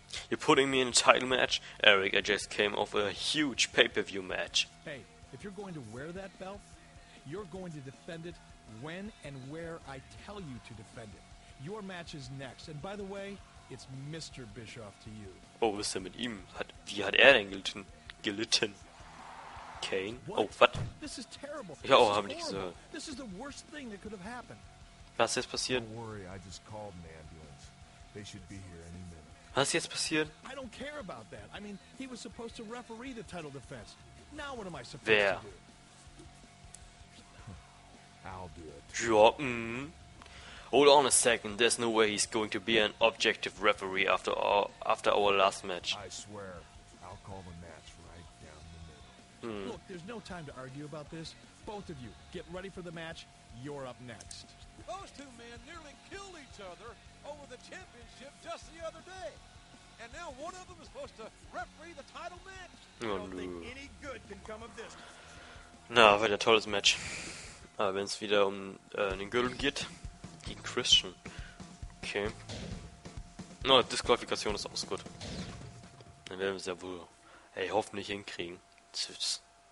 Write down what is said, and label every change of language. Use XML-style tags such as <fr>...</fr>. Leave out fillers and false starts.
<en>You're putting me in a title match? Eric, I just came off a huge pay-per-view match. Hey, if you're going to wear that belt, you're going to defend it when and where I tell you to defend it. Your match is next. And by the way, it's Mr. Bischoff to you.</en> <de>Oh, was ist denn mit ihm? Wie hat er denn gelitten?</de> <en>Kane? What? Oh, what? This is terrible.</en> <de>Ja, oh, habe ich gesagt.</de> <en>This is the worst thing that could have happened.</en> <de>Was ist jetzt passiert?</de> <en>Don't worry, I just called an ambulance. They should be here any minute.</en> <de>Was ist jetzt passiert?</de> <en>I don't care about that. I mean, he was supposed to referee the title defense. Now what am I supposed</en> <de>Wer?</de> <en>To do? I'll do it. Ja, Hold on a second. There's no way he's going to be an objective referee after our last match. I swear, I'll call the match right down the middle. Look, there's no time to argue about this. Both of you, get ready for the match. You're up next. Those two men nearly killed each other over the championship just the other day. And now one of them is supposed to referee the title match. Oh, I don't think any good can come of this.</en> <de>Na, war ein tolles Match. Aber wenn es wieder um den Gürtel geht. Gegen Christian. Okay. Na, no, Disqualifikation ist auch gut. Dann werden wir es ja wohl hoffentlich hinkriegen. Süß.</de>